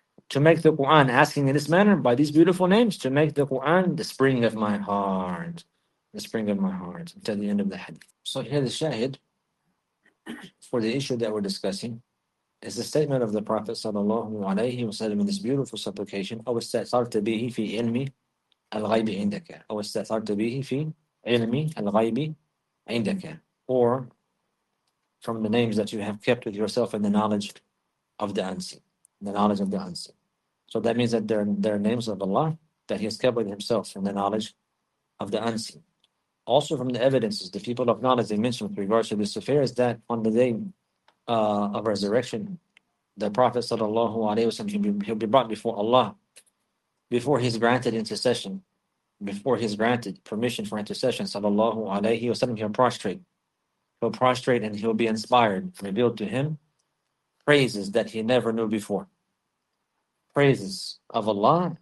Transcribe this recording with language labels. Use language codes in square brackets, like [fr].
[en] To make the Quran, asking in this manner, by these beautiful names, to make the Quran the spring of my heart. The spring of my heart. Until the end of the hadith. So here the shahid, for the issue that we're discussing, is the statement of the Prophet sallallahu alayhi wa sallam in this beautiful supplication, [ar] أو استأثرت به في علمي الغيب عندك. أو استأثرت به في علمي الغيب عندك. [en] Or from the names that you have kept with yourself in the knowledge of the unseen. The knowledge of the unseen. So that means that there are names of Allah that He has kept with Himself in the knowledge of the unseen. Also from the evidences, the people of knowledge they mentioned with regards to this affair is that on the day of resurrection, the Prophet sallallahu alaihi wasallam, he'll be brought before Allah, before he's granted intercession, before he's granted permission for intercession, sallallahu alaihi wasallam, he'll prostrate and he'll be inspired, revealed to him praises that he never knew before, praises of Allah.